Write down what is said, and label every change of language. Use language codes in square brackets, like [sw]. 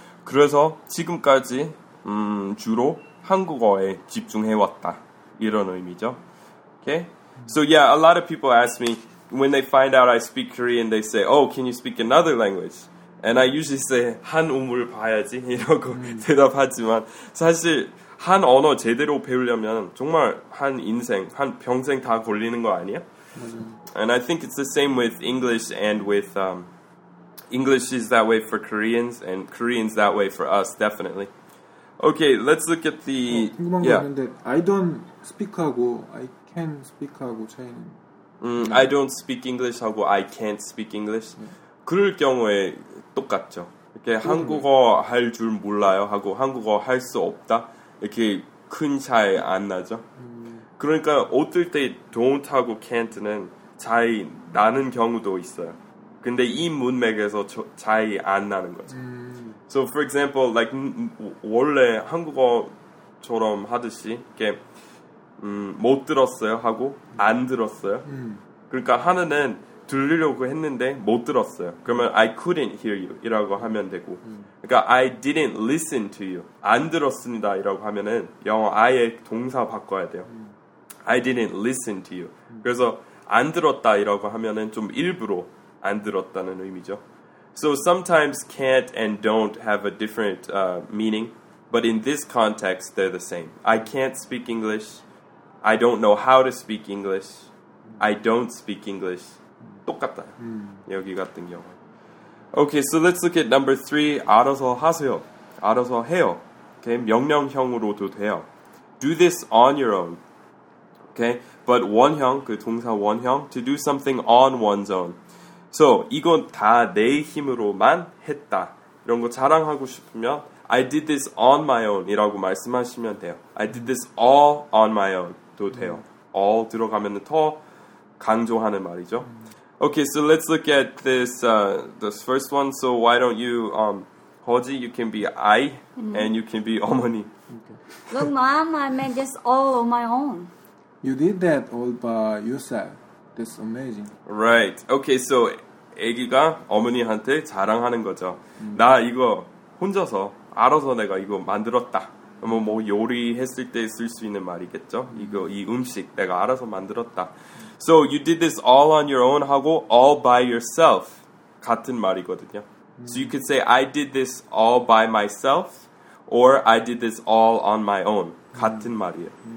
[ko] 그래서 지금까지 주로 한국어에 집중해왔다, 이런 의미죠. [en] Okay? So yeah, a lot of people ask me, when they find out I speak Korean, they say, oh, can you speak another language? And I usually say, [ko] 한 우물 봐야지, 이러고 대답하지만 사실 한 언어 제대로 배우려면 정말 한 인생, 한 평생 다 걸리는 거 아니야? 맞아요. [en] And I think it's the same with English and with English is that way for Koreans and Koreans that way for us, definitely. Okay, let's look at the... [ko] 궁금한 거 있는데, [en] I don't speak [ko] 하고, [en] I can speak [ko] 하고 차이는... [en] I don't speak English하고, I can't speak English. [ko] 그럴 경우에 똑같죠. 이렇게 한국어 할 줄 몰라요 하고 한국어 할 수 없다. 이렇게 큰 차이 안 나죠. 그러니까 어떨 때 don't하고 can't는 차이 나는 경우도 있어요. 근데 이 문맥에서 차이 안 나는 거죠. [en] So for example, like [ko] 원래 한국어처럼 하듯이 이렇게 못 들었어요 하고 안 들었어요. 그러니까 하나는 들으려고 했는데 못 들었어요. 그러면 [en] I couldn't hear you [ko] 이라고 하면 되고 그러니까 [en] I didn't listen to you [ko] 안 들었습니다 이라고 하면은 영어 아예 동사 바꿔야 돼요. [en] I didn't listen to you. [ko] 그래서 안 들었다 이라고 하면은 좀 일부러 안 들었다는 의미죠. [en] So sometimes can't and don't have a different meaning, but in this context they're the same. I can't speak English. I don't know how to speak English. I don't speak English. [ko] 똑같다. 여기 같은 경우. [en] Okay, so let's look at number three. [ko] 알아서 하세요. 알아서 해요. [en] Okay, [ko] 명령형으로도 돼요. [en] Do this on your own. Okay, but [ko] 원형, 그 동사 원형, [en] to do something on one's own. [ko] So, 이건 다 내 힘으로만 했다. 이런 거 자랑하고 싶으면 [en] I did this on my own [ko] 이라고 말씀하시면 돼요. [en] I did this all on my own [ko] 도 돼요. All 들어가면 더 강조하는 말이죠. [en] Okay, so let's look at this this first one. So why don't you, Hoji, you can be I, and you can be 어머니. Okay. Look, Mom, I made this all on my own. You did that all by yourself. That's amazing. Right. Okay, so [ko] 아기가 어머니한테 자랑하는 거죠. 나 이거 혼자서 알아서 내가 이거 만들었다. 뭐 요리했을 때 쓸 수 있는 말이겠죠. 이거 이 음식 내가 알아서 만들었다. [en] So you did this all on your own 하고 all by yourself [ko] 같은 말이거든요. [en] So you could say I did this all by myself or I did this all on my own [ko] 같은 말이에요.